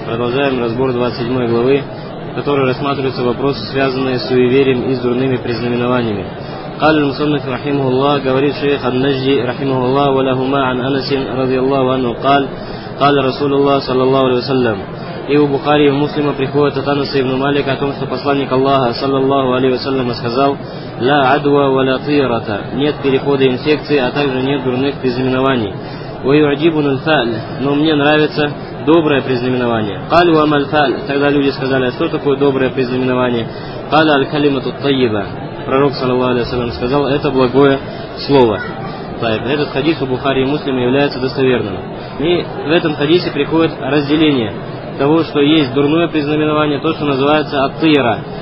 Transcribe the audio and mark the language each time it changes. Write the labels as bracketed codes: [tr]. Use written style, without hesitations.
[ru] Продолжаем разбор 27 главы, в которой рассматриваются вопросы, связанные с суеверием и с дурными предзнаменованиями. [ar] قال المصنف رحمه الله [ru] говорит [ar] شيخ النجدي رحمه الله ولهما عن أنس رضي الله عنه قال قال رسول الله صلى الله عليه وسلم [ru] и у Бухари и у Муслима приходит от Анаса ибн Малика о том, что посланник Аллаха [ar] صلى الله عليه وسلم [ru] сказал [ar] لا عدوى ولا طيرة [ru] нет перехода инфекции, а также нет дурных предзнаменований. [ar] ويعجبن الفعل [ru] но мне нравится доброе предзнаменование. [ar] قال وما الفعل [ru] тогда люди сказали а что такое доброе предзнаменование. [ar] قال الكلمة الطيبة [ru] Пророк, саллаллаху алейхи ва саллям, сказал, это благое слово. Этот хадис у Бухари и Муслима является достоверным. И в этом хадисе приходит разделение того, что есть дурное предзнаменование, то, что называется ат-тайра.